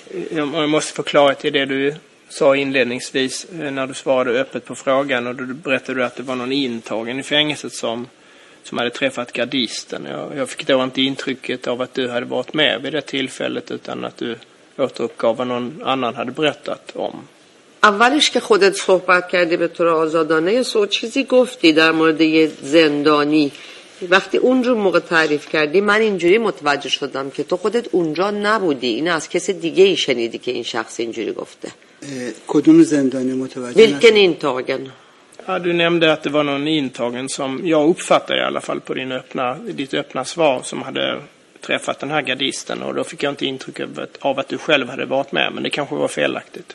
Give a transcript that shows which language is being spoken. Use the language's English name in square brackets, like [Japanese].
[Swedish] Jag måste förklara till det du sa inledningsvis när du svarade öppet på frågan och du berättade att det var någon intagen i fängelset som hade träffat gardisten. Jag fick då inte intrycket av att du hade varit med vid det tillfället utan att du återuppgav vad någon annan hade berättat om. [Persian] اولش که خودت صحبت کردی به طور آزادانه سو چیزی گفتی در مورد یه زندانی وقتی اون رو موقع تعریف کردی من اینجوری متوجه شدم که تو خودت اونجا نبودی این از کسی دیگه ای شنیدی که این شخص اینجوری گفته کدوم زندانی متوجه [Swedish] ویلکن اینتاگن Du nämnde att det var någon intagen som jag uppfattade i alla fall på ditt öppna svar som hade träffat den här gardisten och då fick jag inte intryck av att du själv hade varit med men det kanske var felaktigt.